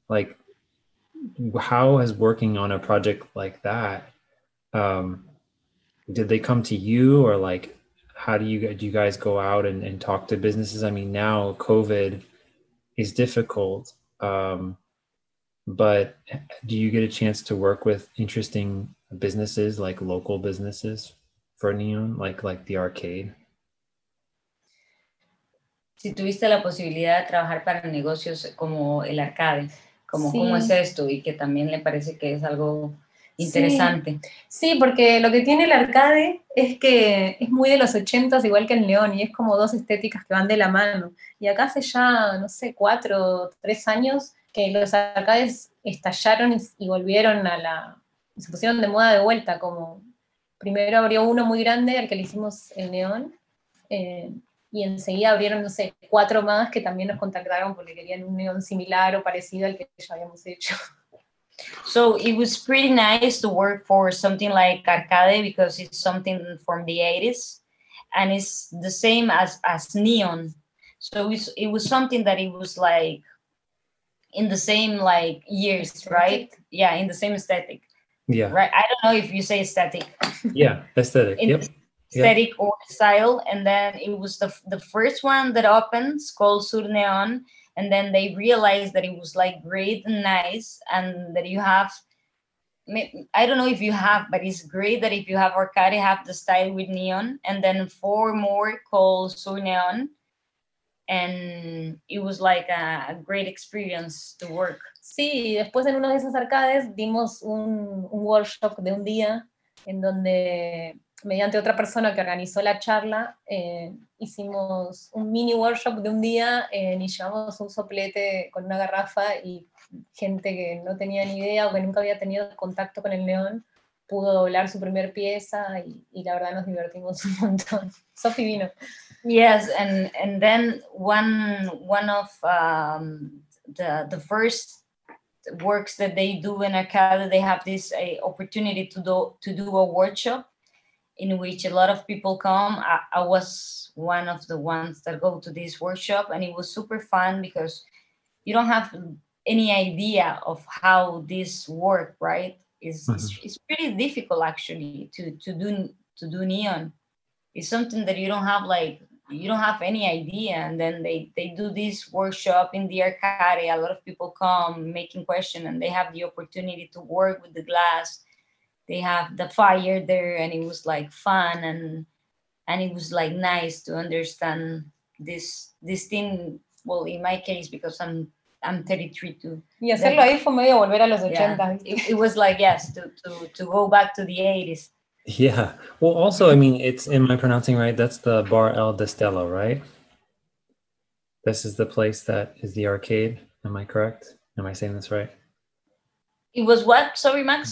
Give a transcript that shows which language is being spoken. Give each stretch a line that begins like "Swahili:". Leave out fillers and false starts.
English: Like, how has working on a project like that, did they come to you, or like, how do you guys go out and talk to businesses? I mean, now COVID is difficult, but do you get a chance to work with interesting businesses, like local businesses for NEÓN, like the arcade?
Spanish: Si tuviste la posibilidad de trabajar para negocios como el arcade, como sí. ¿Cómo es esto? Y que también le parece que es algo... interesante. Sí, porque lo que tiene el arcade es que es muy de los 80s, igual que el neón, y es como dos estéticas que van de la mano. Y acá hace ya, no sé, 4 o 3 años que los arcades estallaron y volvieron a la... se pusieron de moda de vuelta, como... primero abrió uno muy grande, al que le hicimos el neón, y enseguida abrieron, no sé, 4 más que también nos contactaron porque querían un neón similar o parecido al que ya habíamos hecho.
English: So it was pretty nice to work for something like Arcade because it's something from the 80s and it's the same as Neon. So it was something that it was like in the same like years, right? Yeah, in the same aesthetic. Yeah. Right. I don't know if you say aesthetic. Yeah, aesthetic. Yep. Aesthetic or style. And then it was the first one that opens called Sur Neon. And then they realized that it was like great and nice, and that you have, I don't know if you have, but it's great that if you have Arcade, have the style with Neon, and then 4 more called Sur Neon. And it was like a great experience to work.
Spanish: Sí, después en uno de esos arcades dimos un workshop de un día en donde mediante otra persona que organizó la charla, hicimos un mini workshop de un día y llevamos un soplete con una garrafa y gente que no tenía ni idea o que nunca había tenido contacto con el neón pudo doblar su primer pieza y la verdad nos divertimos un montón. Sofi vino.
English: Yes, and then one of the first works that they do in Arcade, they have this opportunity to do a workshop in which a lot of people come. I was one of the ones that go to this workshop, and it was super fun because you don't have any idea of how this work, right? It's pretty difficult actually to do neon. It's something that you don't have, like, you don't have any idea. And then they do this workshop in the arcade. A lot of people come making questions, and they have the opportunity to work with the glass. They have the fire there, and it was like fun, and it was like nice to understand this thing. Well, in my case, because I'm 33 too.
Spanish: Y hacerlo ahí fue medio volver a los 80.
English: It was like, yes, to go back to the 80s. Yeah. Well, also, I mean, it's, am I pronouncing right? That's the Bar El Destello, right? This is the place that is the arcade. Am I correct? Am I saying this right? It was what? Sorry, Max?